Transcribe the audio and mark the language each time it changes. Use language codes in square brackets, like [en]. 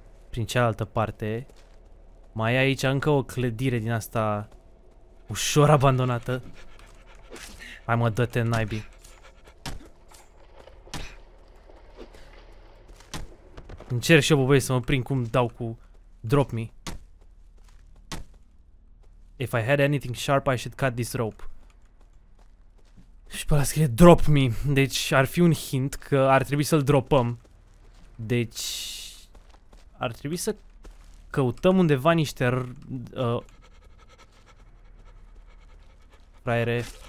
[ro] prin cealaltă parte. Mai e aici încă o clădire din asta... ușor abandonată. Hai, mă, dă-te naibii. Încerc și eu, bă, băie, să mă prind cum dau cu... [en] drop me. If I had anything sharp, I should cut this rope. [ro] Și pe ăla scrie [en] drop me. [ro] Deci ar fi un hint că ar trebui să-l dropăm. Deci ar trebui să căutăm undeva niște fraiere.